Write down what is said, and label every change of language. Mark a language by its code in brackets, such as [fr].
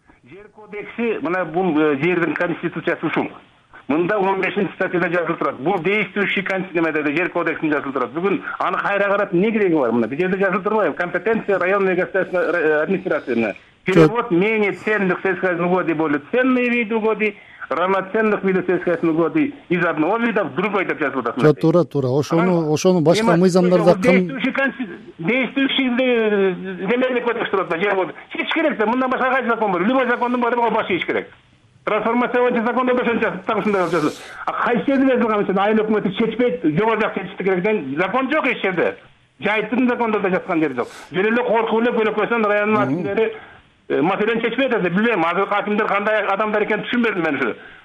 [ky] Жер кодекси мына бул жердин конституциясы ушул. Мында 15-нчи статьяда жазылып турат. Бул [ru] действующий конституция [ky] жер кодексинде жазылып турат. Бүгүн аны кайра карап эмне кереги бар? Мына бир жерде жазылып турбайбы? [ru] Компетенция районной государственной администрации. Перевод менее ценных сельскохозяйственных угодий более ценные виды угодий. Равноценных видов сельскохозяйственных угодий из одного вида в другой [ky] деп жазып атасыз. Жок, туура, туура. Ошону башка мыйзамдарда [ru] действующий земельный кодекс турат да, [ky] жер кодекс. Чечиш керек да, мындан башка кайсы закон бар? Любой закондун баары бар, баш ийиш керек. Трансформация боюнча закон 15-нчи так ушундай кылып жазылат. А кайсы жерде жазылган мисалы айыл өкмөтү чечпейт, жогору жак чечишти керек деген закон жок эч жерде. Жайыттын закондо да жаткан жери жок. Жөн эле коркуп эле көнөкөйсөн райондун акимдери маселени чечпей атат, билбейм азыр акимдер кандай адамдар экенин түшүнбөдүм мен ушу.